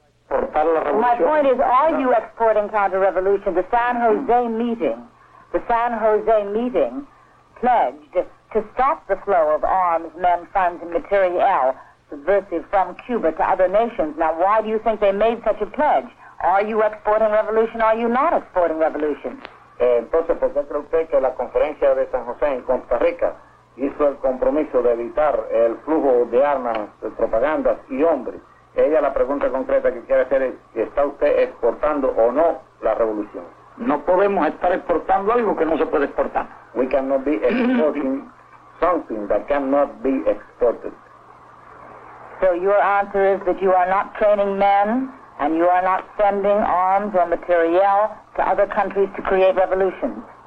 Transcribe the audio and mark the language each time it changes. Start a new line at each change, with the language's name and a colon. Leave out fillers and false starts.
English: My point is, are you exporting counter-revolutions? The San Jose meeting pledged to stop the flow of arms, men, funds, and materiel subversive from Cuba to other nations. Now, why do you think they made such a pledge? Are you exporting revolution? Are you not exporting revolution?
Spanish: Entonces, ¿por qué cree usted que la conferencia de San José en Costa Rica hizo el compromiso de evitar el flujo de armas, de propaganda y hombres? Ella, la pregunta concreta que quiere hacer es si está usted exportando o no la revolución. No podemos estar exportando algo que no se puede exportar.
English: We cannot be exporting something that cannot be exported. So your answer is that you are not training men and you are not sending arms or materiel to other countries to create revolutions.